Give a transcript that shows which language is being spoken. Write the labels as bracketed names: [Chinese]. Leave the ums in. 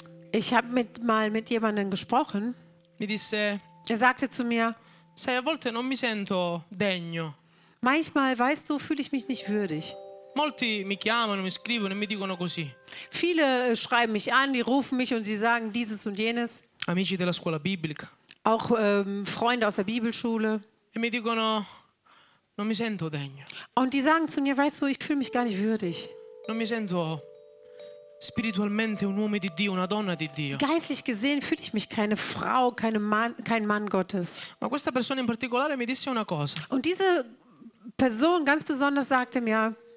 [German] Ich habe mal mit jemandem gesprochen. [Italian] Mi disse, [German] er sagte zu mir. [Italian] Sei, a volte non mi sento degno. [German] Manchmal, weißt du, fühle ich mich nicht würdig. [Italian] Molti mi chiamen, mi scriven, mi dicono così. [German] Viele schreiben mich an, die rufen mich und sie sagen dieses und jenes. [Italian] Amici scuola biblica. [German] Auch ähm, Freunde aus der Bibelschule. [Italian] E mi dicono, non sento degno. [German] Und die sagen zu mir, weißt du, ich fühle mich gar nicht würdig. [Italian] Non mi sento Spiritualmente un uomo di Dio, una donna di Dio. [German] Geistlich gesehen fühle ich mich keine Frau, keine Mann, kein Mann Gottes. [Italian] Ma questa persona in particolare mi disse una cosa. [German] Und diese Person ganz besonders sagte mir.